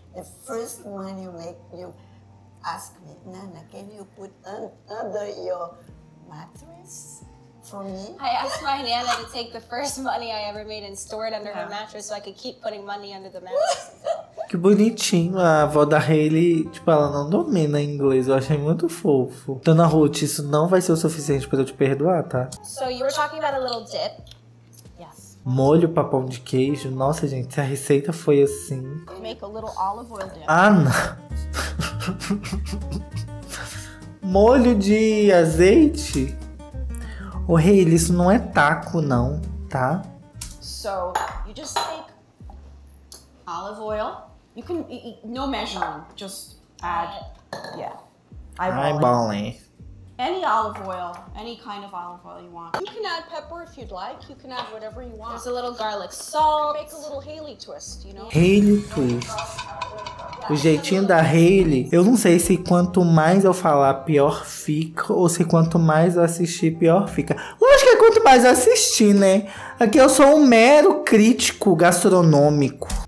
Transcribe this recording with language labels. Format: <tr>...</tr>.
<en>The first money you make, you ask me, Nana, can you put under your mattress? I asked my Nana to take the first money I ever made and store it under her mattress so I could keep putting money under the mattress.</en> <pt>Que bonitinho, a avó da Hayley, tipo, ela não domina inglês, eu achei muito fofo. Dona Ruth, isso não vai ser o suficiente pra eu te perdoar, tá?</pt> <en>So you were talking about a little dip? Yes.</en> <pt>Molho pra pão de queijo? Nossa, gente, se a receita foi assim...</pt> <en>You make a little olive oil dip.</en> <pt>Ah, não. Molho de azeite? Ô, Hayley, isso não é taco, não, tá?</pt> <en>So, you just take olive oil. You can, no measuring, just add, yeah. Eyeballing. Eyeballing. Any olive oil, any kind of olive oil you want. You can add pepper if you'd like. You can add whatever you want. There's a little garlic salt. Make a little Hayley twist, you know? Hayley twist.</en> <pt>O jeitinho da Hayley, eu não sei se quanto mais eu falar, pior fica, ou se quanto mais eu assistir, pior fica. Lógico que é quanto mais eu assistir, né? Aqui eu sou um mero crítico gastronômico.</pt>